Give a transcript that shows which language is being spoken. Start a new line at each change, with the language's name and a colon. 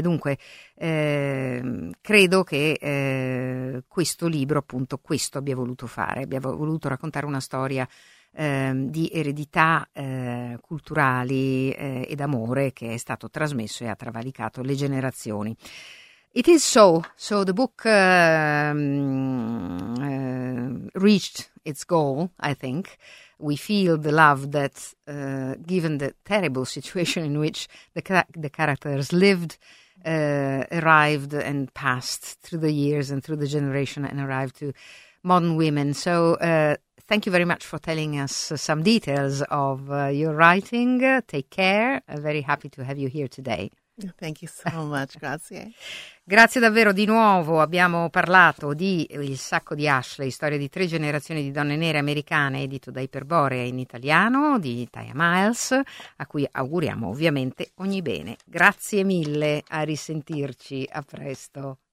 Italian: Dunque credo che questo libro, appunto, questo abbia voluto fare, abbia voluto raccontare una storia di eredità culturali e d'amore che è stato trasmesso e ha travalicato le generazioni.
English: It is so the book reached its goal, I think. We feel the love that, given the terrible situation in which the characters lived, arrived and passed through the years and through the generation and arrived to modern women. So thank you very much for telling us some details of your writing. Take care. I'm very happy to have you here today. Thank you so much, grazie.
Italian: Grazie davvero di nuovo. Abbiamo parlato di Il sacco di Ashley, storia di tre generazioni di donne nere americane, edito da Iperborea in italiano, di Taya Miles, a cui auguriamo ovviamente ogni bene. Grazie mille, a risentirci, a presto.